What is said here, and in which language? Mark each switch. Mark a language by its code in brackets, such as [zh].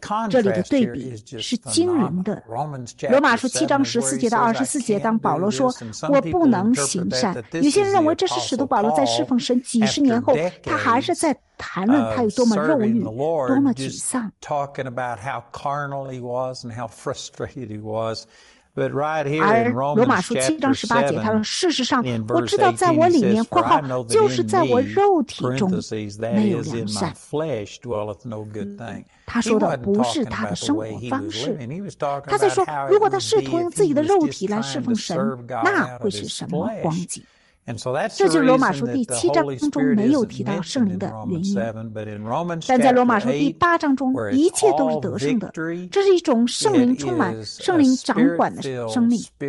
[zh] 这里的对比是惊人的。罗马书七章十四节到二十四节，当保罗说我不能行善，有些人认为这是使徒保罗在侍奉神几十年后，他还是在谈论他有多么肉欲，多么沮丧。 [en] talking about how carnal he was and how frustrated he was. But right here in Romans chapter 7, in verse 18, he says, I know that in me, parentheses, that is in my flesh, dwelleth no good thing. He wasn't talking about the way he was living. He was talking about how it would be if he was just trying to serve God out of his flesh. [zh] 这就是罗马书第七章中没有提到圣灵的原因，但在罗马书第八章中，一切都是得胜的。这是一种圣灵充满、圣灵掌管的生命。